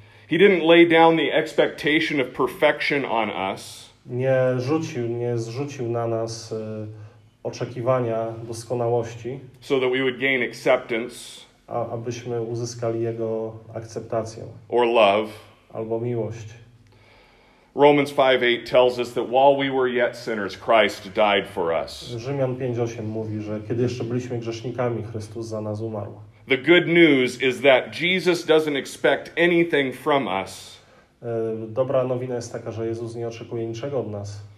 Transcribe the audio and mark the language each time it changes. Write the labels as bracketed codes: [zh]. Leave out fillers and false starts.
[en] He didn't lay down the expectation of perfection on us. [pl] Nie zrzucił na nas oczekiwania doskonałości. [en] So that we would gain acceptance. [pl] Abyśmy uzyskali jego akceptację. [en] Or love. [pl] Albo miłość. [en] Romans 5:8 tells us that while we were yet sinners, Christ died for us. [pl] Rzymian 5:8 mówi, że kiedy jeszcze byliśmy grzesznikami, Chrystus za nas umarł. [en] The good news is that Jesus doesn't expect anything from us. [pl] Dobra nowina jest taka, że Jezus nie oczekuje niczego od nas.